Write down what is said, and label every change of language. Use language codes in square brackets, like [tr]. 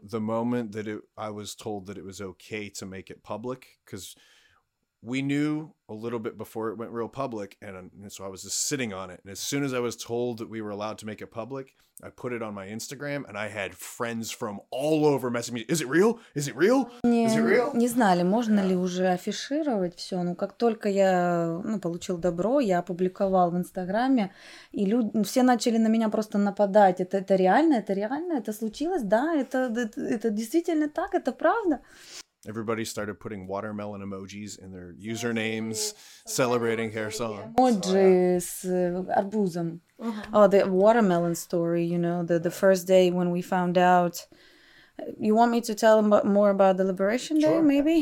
[en] The moment that I was told that it was okay to make it public, because we knew a little bit before it went real public, and so I was just sitting on it. And as soon as I was told that we were allowed to make it public, I put it on my Instagram, and I had friends from all over messaging me, is it real? Is it real? [ru] Не знали, можно ли уже афишировать все. Но как только я получил добро, я опубликовал в Инстаграме, и все начали на меня просто нападать. Это реально? Это реально? Это случилось? Да, это действительно так? Это правда? [en] Everybody started putting watermelon emojis in their usernames, celebrating Kherson. Emojis with arbuzom. Oh, the watermelon story, you know, the first day when we found out. You want me to tell more about the Liberation Day, maybe?